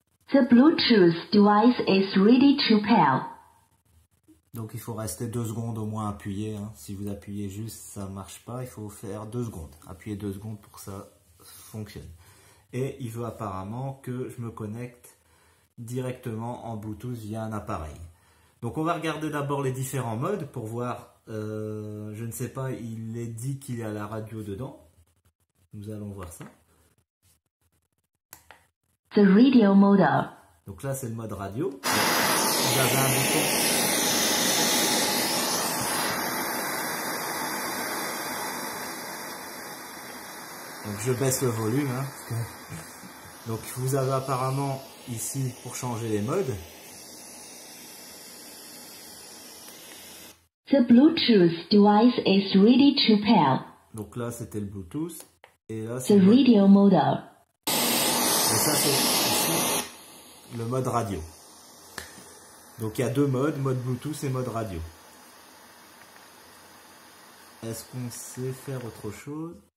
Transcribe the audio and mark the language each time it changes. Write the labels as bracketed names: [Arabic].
[English] The Bluetooth device is ready to pair. [French] Donc il faut rester 2 secondes au moins appuyé. Hein. Si vous appuyez juste, ça ne marche pas. Il faut faire 2 secondes. Appuyez 2 secondes pour que ça fonctionne. Et il veut apparemment que je me connecte directement en Bluetooth via un appareil. Donc on va regarder d'abord les différents modes pour voir. Je ne sais pas, il est dit qu'il y a la radio dedans. Nous allons voir ça. [English] The radio mode. [French] Donc là, c'est le mode radio. Vous avez un bouton. Donc je baisse le volume. Hein. Donc vous avez apparemment ici pour changer les modes. [English] The Bluetooth device is ready to pair. [French] Donc là c'était le Bluetooth. Et là c'est [English] the radio mode. [French] Et ça c'est ici le mode radio. Donc il y a 2 modes, mode Bluetooth et mode radio. Est-ce qu'on sait faire autre chose?